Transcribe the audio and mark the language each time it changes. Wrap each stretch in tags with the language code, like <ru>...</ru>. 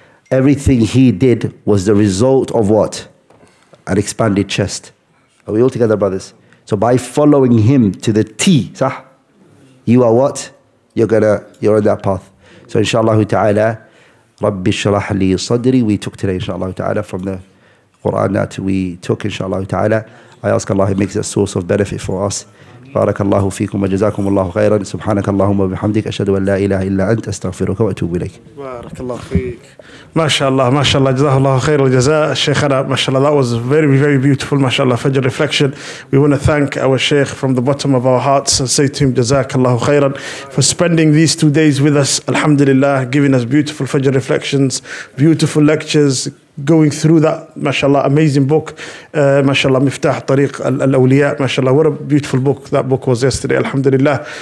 <en>Everything he did was the result of what? An expanded chest. Are we all together, brothers? So by following him to the T, صح? You are what? You're on that path. So inshallah ta'ala,</en> <ar>رَبِّ شَرَحْ لِي صَدْرِي.</ar> <en>We took today, inshallah ta'ala, from the Quran that we took, inshallah ta'ala. I ask Allah, he makes it a source of benefit for us.</en> <ar>بارك الله فيكم وجزاكم الله خيرا سبحانك اللهم وبحمدك أشهد أن لا إله إلا أنت أستغفرك وأتوب إليك. بارك الله فيك. ما شاء الله جزاه الله خير الجزاء شيخنا.</ar> <en>ما شاء الله, that was very very beautiful. ما شاء الله, فجر reflection. We want to thank our Sheikh from the bottom of our hearts and say to him</en> <ar>جزاك الله خيرا</ar> <en>for spending these 2 days with us. الحمد لله, giving us beautiful فجر reflections, beautiful lectures, going through that, mashallah, amazing book, mashallah, Miftah Tariq Al-Awliya, mashallah, what a beautiful book that book was yesterday, alhamdulillah.</en>